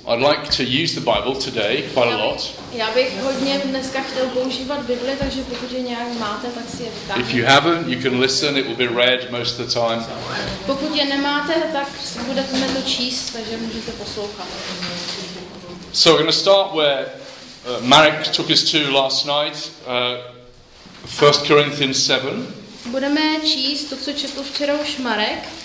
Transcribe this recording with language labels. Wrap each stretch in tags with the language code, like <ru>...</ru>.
<en>I'd like to use the Bible today quite a lot.</en> <cs>Já bych hodně dneska chtěl používat Bibli, takže pokud je nějak máte, tak si je vytáhněte.</cs> <en>If you haven't, you can listen, it will be read most of the time.</en> <cs>Pokud je nemáte, tak budeme to číst, takže můžete poslouchat.</cs> <en>So we're going to start where Marek took us to last night, 1 Corinthians 7.</en> <cs>Budeme číst to, co četl včera už Marek.</cs>